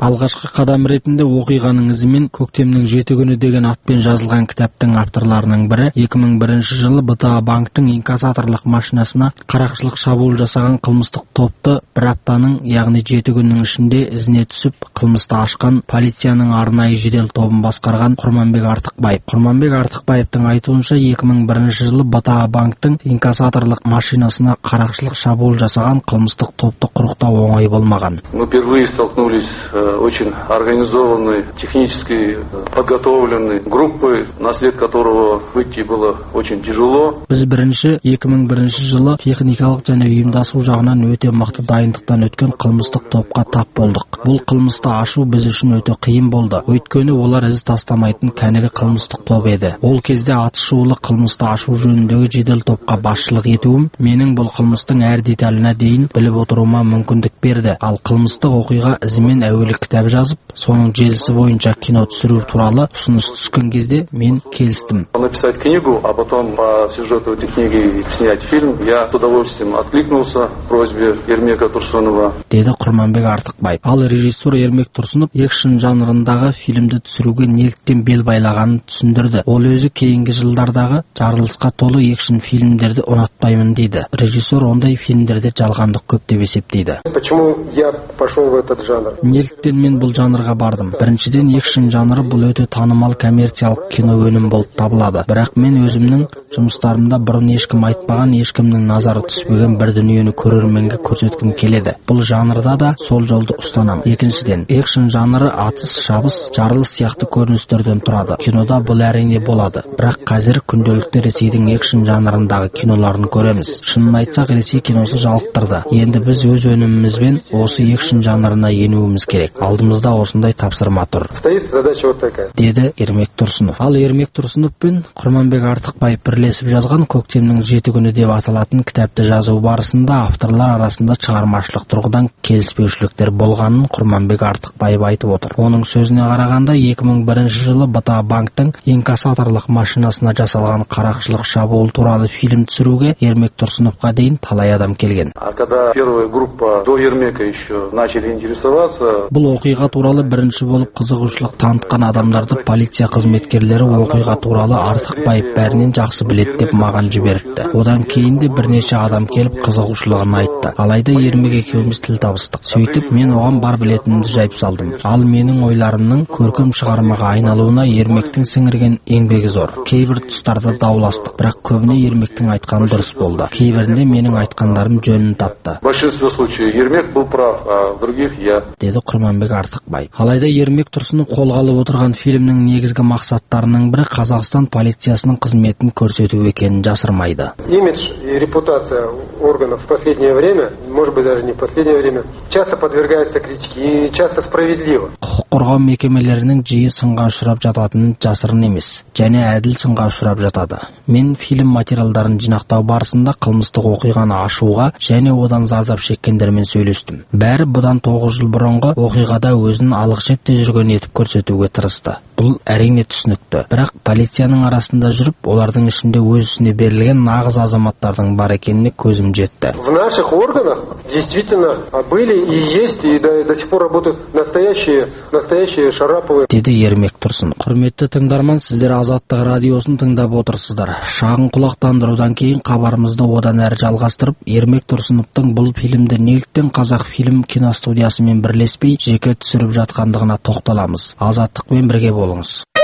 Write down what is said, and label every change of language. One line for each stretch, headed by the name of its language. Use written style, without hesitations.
Kazakh: Алғашқы қадам ретінде оқиғаның ізімен көктемнің жеті күні деген атпен жазылған кітаптың авторларының бірі 2001 жылы БТА банктің инкассаторлық машинасына қарақшылық шабуыл жасаған қылмыстық топты бір аптаның яғни жеті күннің ішінде ізіне түсіп қылмысты ашқан полицияның арнайы жедел тобын басқарған Құрманбек Артықбаев. Құрманбек Артықбаевтың айтуынша 2001 жылы БТА банктің инкассаторлық машинасына қарақшылық шабуыл жасаған қылмыстық топты құрықтау оңай болмаған.
Russian: Мы впервые столкнулись очень организованной, технически подготовленной группой, на след которого выйти было очень тяжело.
Kazakh: Біз бірінші 2001 жылы техникалық және ұйымдасу жағынан өте мықты дайындықтан өткен қылмыстық топқа тап болдық. Бұл қылмысты ашу біз үшін өте қиын болды. Өйткені олар із тастамайтын кәнігі қылмыстық топ еді. Ол кезде атышулы қылмысты ашу жөніндегі жедел топқа басшылық етуім менің бұл қылмыстың әр деталіне дейін біліп отыруыма мүмкіндік берді. Ал қылмыстық оқиға ізімен әуелі кітап жазып, соның желісі бойынша кино түсіру туралы ұсыныс түскен кезде мен келістім.
Russian: Написать книгу, а потом по сюжету этой книги снять фильм. Я с удовольствием откликнулся просьбе Ермека Тұрсынова.
Kazakh: Деді Құрманбек Артықбаев. Ал режиссер Ермек Тұрсынов экшн жанрындағы фильмді түсіруге неліктен бел байлағанын түсіндірді. Ол өзі кейінгі жылдардағы жарылысқа толы экшн фильмдерді ұнатпаймын дейді. Режиссер ондай фильмдерде жалғандық көп деп есептейді.
Russian: Почему я пошел в этот жанр?
Kazakh: Неліктен мен бұл жанрға бардым? Біріншіден экшн жанры бұл өте танымал коммерциялық кино өнім болып табылады. Бірақ мен өзімнің жұмыстарымда бұрын ешкім айтпаған, ешкімнің назары түспеген бір дүниені көрерменге көрсеткім келеді. Бұл жанрда да сол жолды ұстанам. Екіншіден, экшн жанры атыс, шабыс, жарылыс сияқты көріністерден тұрады. Кинода бұл әрине болады. Бірақ қазір күнделікті ресейдің экшн жанрындағы киноларын көреміз. Шынын айтсақ, ресей киносы жалықтырды. Енді біз өз өнімімізбен осы экшн жанрына енуіміз керек. Алдымызда осындай тапсырма тұр.
Russian: Стоит задача вот такая.
Kazakh: Деді Ермек Тұрсынов. Ал Ермек Тұрсынов пен Құрманбек Артықбаев бірлесіп жазған көктемнің жеті күні деп аталатын кітапты жазу барысында авторлар арасында шығармашылық тұрғыдан келіспеушіліктер болғанын Құрманбек Артықбаев айтып отыр. Оның сөзіне қарағанда 2001 жылы БТА банктің инкассаторлық машинасына жасалған қарақшылық шабуыл туралы фильм түсіруге Ермек Тұрсыновқа дейін талай адам келген.
Russian: Когда первая группа до Ермека еще начали интересоваться.
Kazakh: Бұл оқиға туралы бірінші болып қызығушылық танытқан адамдарды полиция қызметкерлері оқиға туралы Артықбаев бәрінен жақсы біледі деп маған жіберіпті. Одан кейін де бірнеше адам келіп қызығушылығын айтты. жатты. Алайда Ермек экеуміз тіл табыстық. Сөйтіп мен оған бар білетінімді жайып салдым. Ал менің ойларымның көркем шығармаға айналуына Ермектің сіңірген еңбегі зор. Кейбір тұстарда дауластық, бірақ көбіне Ермектің айтқаны дұрыс болды. Кейбірінде менің айтқандарым жөнін тапты.
Russian: Большинство случаев Ермек был прав, а других я.
Kazakh: Деді Құрманбек Артықбай. Алайда Ермек Тұрсынов қолға алып отырған фильмнің негізгі мақсаттарының бірі Қазақстан полициясының қызметін көрсету екенін жасырмайды.
Russian: Имидж и репутация органов в последнее время, может быть даже не в последнее время, часто подвергается критике и часто справедливо.
Kazakh: Құрған мекемелерінің жиі сынға ұшырап жататынын жасырын емес, және әділ сынға ұшырап жатады. Мен фильм материалдарын жинақтау барысында қылмыстық оқиғаны ашуға және одан зардап шеккендермен сөйлестім. Бәрі бұдан 9 жыл бұрынғы оқиғада өзін алық шепте жүрген етіп көрсетуге тырысты. Бұл әрине түсінікті, бірақ полицияның арасында жүріп, олардың ішінде өзісіне берілген нағыз азаматтардың бар екеніне көзім жетті.
Russian: В наших органах действительно были и есть и до сих пор работают настоящие Шараповы.
Kazakh: Деді Ермек Тұрсын. Құрметті тыңдарман, сіздер Азаттық радиосын тыңдап отырсыздар. Шағын құлақтандырудан кейін хабарымызды одан әрі жалғастырып, Ермек Тұрсыновтың бұл фильмді неліктен Қазақ фильм киностудиясымен бірлеспей жеке түсіріп жатқандығына тоқталамыз. Азаттықпен бірге болыңыз.